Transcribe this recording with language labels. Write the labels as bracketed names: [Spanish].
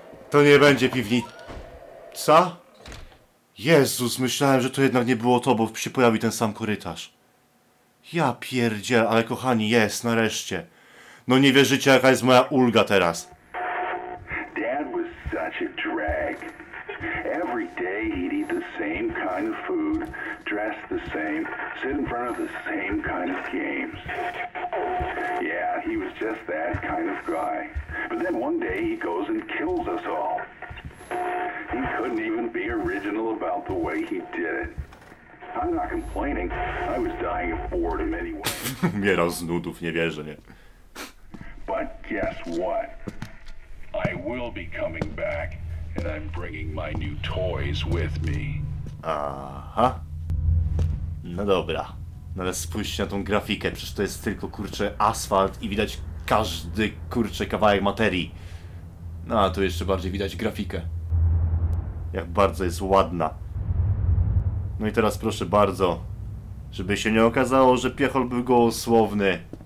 [Polish] To nie będzie piwnica? Jezus, myślałem, że to jednak nie było to, bo się pojawi ten sam korytarz. Ja pierdziel, ale kochani, jest, nareszcie. No nie wierzycie, jaka jest moja ulga teraz. [English] Dad was such a drag. Every day he'd eat the same kind of food, dress the same, sit in front of the same kind of games. Yeah, he was just that kind of guy. But then one day he goes and kills us all. He couldn't even be original about the way he did it. I'm not complaining. I was dying of boredom anyway. [Polish] Umieram z nudów, nie wierzę, nie. [English] But guess what? I will be coming back, and I'm bringing my new toys with me. [Polish] Aha. No dobra. No ale spójrzcie na tą grafikę, przecież to jest tylko, kurczę, asfalt i widać każdy, kurczę, kawałek materii. No a tu jeszcze bardziej widać grafikę. Jak bardzo jest ładna. No i teraz proszę bardzo, żeby się nie okazało, że Piechol był gołosłowny.